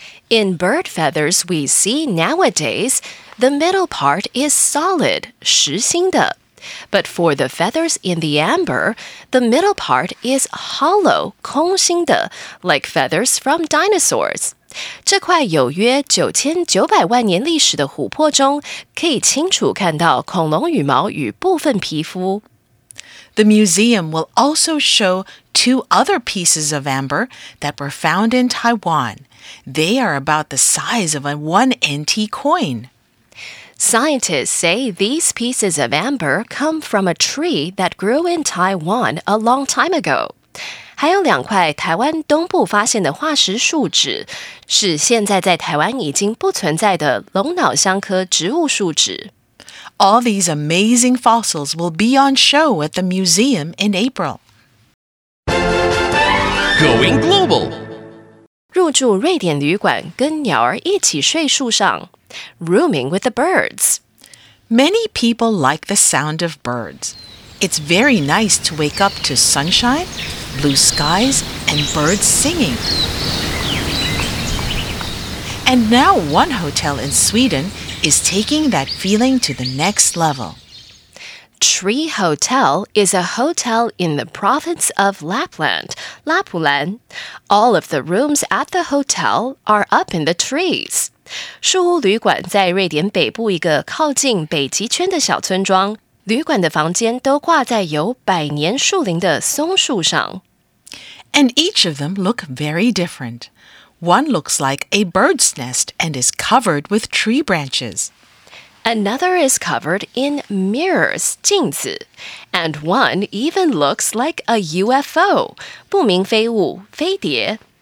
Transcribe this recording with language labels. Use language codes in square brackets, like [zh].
[en] In bird feathers we see nowadays, the middle part is solid, [zh] 实心的. [en] But for the feathers in the amber, the middle part is hollow, [zh] 空心的, [en] like feathers from dinosaurs. [zh] 这块有约9900万年历史的琥珀中可以清楚看到恐龙羽毛与部分皮肤。 [en] The museum will also show two other pieces of amber that were found in Taiwan. They are about the size of a 1 NT coin. Scientists say these pieces of amber come from a tree that grew in Taiwan a long time ago. [zh] 还有两块台湾东部发现的化石树脂是现在在台湾已经不存在的龙脑香科植物树脂。 [en] All these amazing fossils will be on show at the museum in April. Going global. [zh] 入住瑞典旅馆跟鸟儿一起睡树上。 [en] Rooming with the birds. Many people like the sound of birds. It's very nice to wake up to sunshine, blue skies, and birds singing. And now one hotel in Sweden is taking that feeling to the next level. Tree Hotel is a hotel in the province of Lapland, Lapulan. All of the rooms at the hotel are up in the trees. [zh] 树屋旅馆在瑞典北部一个靠近北极圈的小村庄，旅馆的房间都挂在有百年树龄的松树上。 [en] And each of them look very different. One looks like a bird's nest and is covered with tree branches. Another is covered in mirrors, [zh] 镜子。 [en] And one even looks like a UFO, [zh] 不明飞物，飞碟。